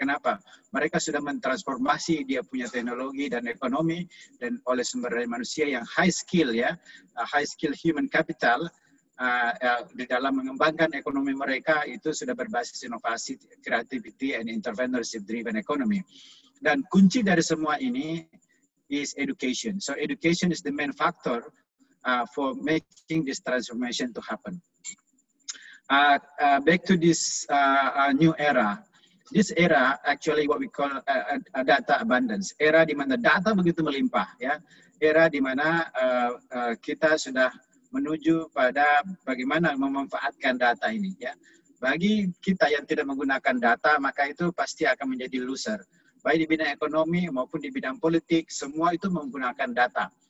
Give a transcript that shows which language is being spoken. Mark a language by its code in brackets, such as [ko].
[id] Kenapa? Mereka sudah mentransformasi, dia punya teknologi dan ekonomi, dan oleh sumber daya manusia yang high skill, ya, [en] high skill human capital, [id] di dalam mengembangkan ekonomi mereka itu sudah berbasis inovasi, [en] creativity, and entrepreneurship-driven economy. [id] Dan kunci dari semua ini [en] is education. So education is the main factor for making this transformation to happen. Back to this new era. This era actually what we call a data abundance. [id] Era di mana data begitu melimpah, ya. Era di mana kita sudah menuju pada bagaimana memanfaatkan data ini, ya. Bagi kita yang tidak menggunakan data, maka itu pasti akan menjadi loser. Baik di bidang ekonomi maupun di bidang politik, semua itu menggunakan data.